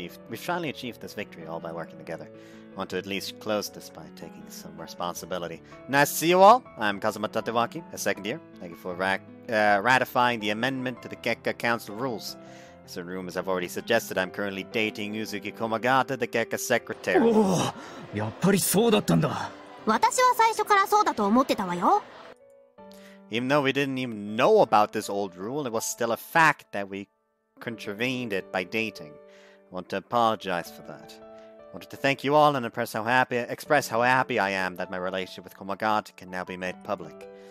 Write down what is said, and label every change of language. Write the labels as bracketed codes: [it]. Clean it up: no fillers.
[en] We finally achieved this victory all by working together. I want to at least close this by taking some responsibility. Nice to see you all. I'm Kazuma Tatewaki, a second year. Thank you for ratifying the amendment to the Gekka Council rules. Some rumors have already suggested I'm currently dating Yuzuki Komagata, the Gekka secretary. [ja] おお、やっぱりそうだったんだ。私は最初からそうだと思ってたわよ。 [en] Even though we didn't even know about this old rule, it was still a fact that we contravened it by dating. I want to apologize for that. I wanted to thank you all and express how happy I am that my relationship with Komagata can now be made public.